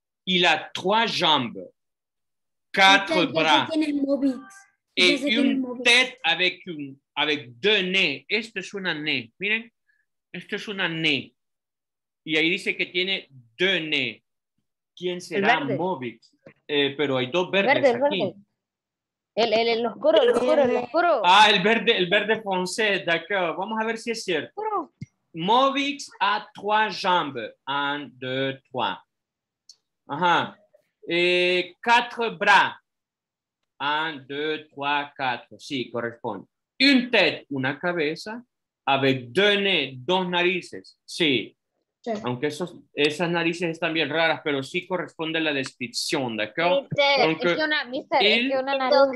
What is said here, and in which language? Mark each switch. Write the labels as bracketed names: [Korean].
[French] Il a trois jambes, quatre bras. Et une tête avec deux nez. [Spanish] Esto es una nez. Miren, esto es una nez. Y ahí dice que tiene [French] deux nez. [Spanish] ¿Quién será Mobix? Pero hay dos verdes verde, aquí. El oscuro, el oscuro, el oscuro. Ah, el verde [French] foncé, d'accord. [Spanish] Vamos a ver si es cierto. Movix [French] a trois jambes. Un, deux, trois. Ajá. Quatre bras. Un, deux, trois, quatre. [Spanish] Sí, corresponde. [French] Une tête, [Spanish] una cabeza. [French] Avec deux nez, [Spanish] dos narices. Sí. Sí. Aunque esos, esas narices están bien raras, pero sí corresponde a la descripción, ¿de acuerdo? Mister, aunque es que una, mister, él, es que una nariz